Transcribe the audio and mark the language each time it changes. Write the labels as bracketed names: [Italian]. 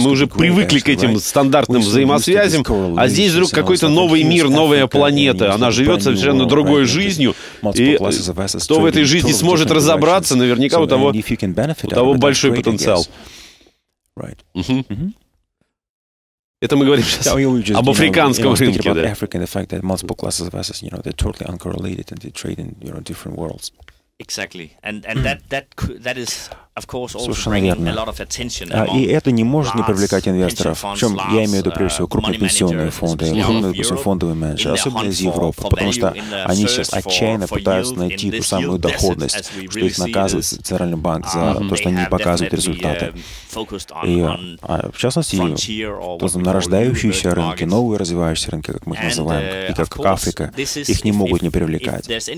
[Russian] Мы уже привыкли к этим стандартным взаимосвязям, а здесь вдруг какой-то новый мир, новая планета. Она живет совершенно другой жизнью. И кто в этой жизни сможет разобраться, наверняка у того большой потенциал. [English] Right. [Russian] Это мы говорим сейчас об африканском рынке, да? [English] Africa and the fact that multiple classes of assets, you know, they're totally uncorrelated and they trade in, you know, different worlds. Exactly. And that is of course also bringing a lot of attention. [Russian] И это не может не привлекать инвесторов. В чем я имею в виду, прежде всего, крупные пенсионные фонды, фондовые менеджеры, особенно из Европы, потому что они сейчас отчаянно пытаются найти ту самую доходность, что их наказывает Центральный банк за то, что они не показывают результаты. И в частности, на рождающиеся рынки, новые развивающиеся рынки, как мы их называем, и как Африка, их не могут не привлекать.